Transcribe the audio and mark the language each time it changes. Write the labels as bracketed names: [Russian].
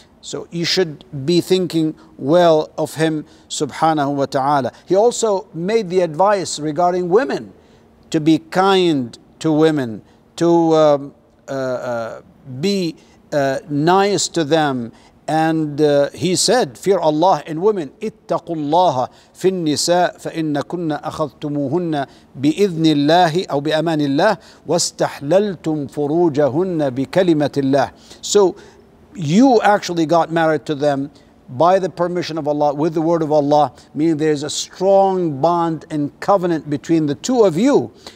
[English] So you should be thinking well of him subhanahu wa ta'ala. He also made the advice regarding women to be kind to women, to be nice to them. And he said, fear Allah in women. [Arabic] اتقوا الله في النساء فإن كنا أخذتموهن بإذن الله أو بأمان الله واستحللتم فروجهن بكلمة الله. [English] So you actually got married to them by the permission of Allah, with the word of Allah, meaning there is a strong bond and covenant between the two of you.